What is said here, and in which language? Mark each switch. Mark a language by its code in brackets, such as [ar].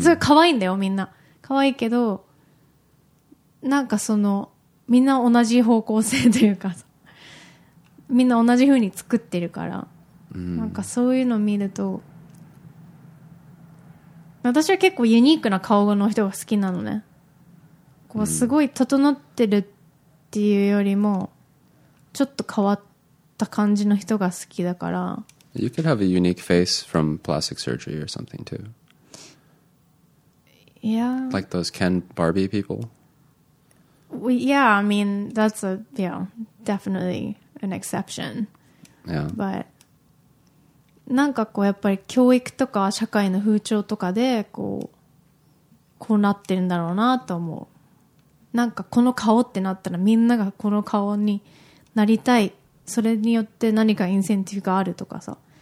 [ja] それ可愛いんだよ、みんな可愛いけど、なんかそのみんな同じ方向性というか、みんな同じ風に作ってるから、うん、なんかそういうの見ると、私は結構ユニークな顔の人が好きなのね。こうすごい整ってるっていうよりもちょっと変わった感じの人が好きだから。 [en] You could have a unique face from plastic surgery or something too. Yeah. Like those Ken Barbie people. Yeah, I mean, that's a, yeah, definitely an exception. Yeah. [ja] But, なんかこうやっぱり教育とか社会の風潮とかでこうなってるんだろうなと思う。なんかこの顔ってなったらみんながこの顔になりたい。それによって何かインセンティブがあるとかさ。